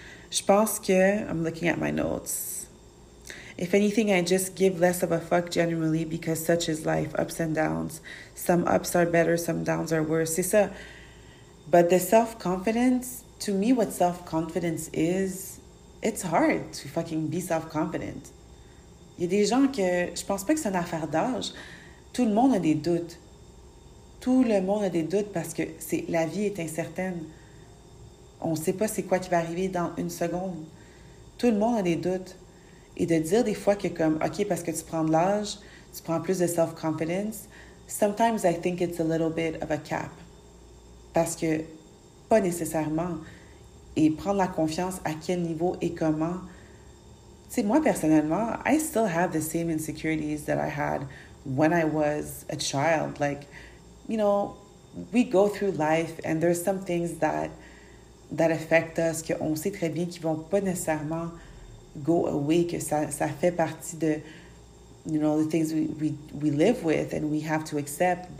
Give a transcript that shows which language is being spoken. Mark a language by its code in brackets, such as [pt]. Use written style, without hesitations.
[fr] Je pense que, [en] I'm looking at my notes. If anything, I just give less of a fuck generally because such is life, ups and downs. Some ups are better, some downs are worse. [fr] C'est ça. [en] But the self-confidence, to me, what self-confidence is, it's hard to fucking be self-confident. [fr] Il y a des gens que, je pense pas que c'est une affaire d'âge. Tout le monde a des doutes. Tout le monde a des doutes parce que la vie est incertaine. On ne sait pas c'est quoi qui va arriver dans une seconde. Tout le monde a des doutes. Et de dire des fois que comme, OK, parce que tu prends de l'âge, tu prends plus de self-confidence, [en] sometimes I think it's a little bit of a cap. [fr] Parce que, pas nécessairement. Et prendre la confiance à quel niveau et comment. Tu sais, moi, personnellement, [en] I still have the same insecurities that I had when I was a child. Like, you know, we go through life and there's some things that affect us, [fr] qu'on sait très bien qu'ils ne vont pas nécessairement [en] go away, [fr] que ça fait partie de, [en] you know, the things we live with and we have to accept.